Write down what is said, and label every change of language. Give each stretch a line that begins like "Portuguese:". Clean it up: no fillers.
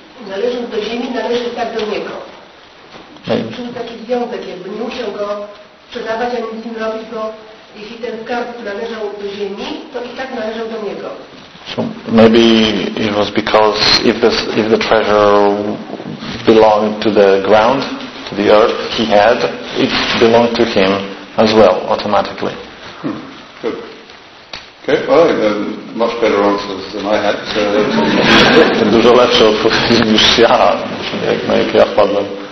Polish: należy do ziemi, należy tak do niego. Czuł taki związek, jakby nie musiał go sprzedawać ani nic nie robić, bo jeśli ten skarb należał do ziemi, to i tak należał do niego.
English: So maybe it was because if the treasure belonged to the ground, to the earth, he had, it belonged to him as well, automatically. Good. Okay, well, much better answers than I had.
Polish: Dużo lepsze odpowiedzi niż ja, na jakie ja wpadłem.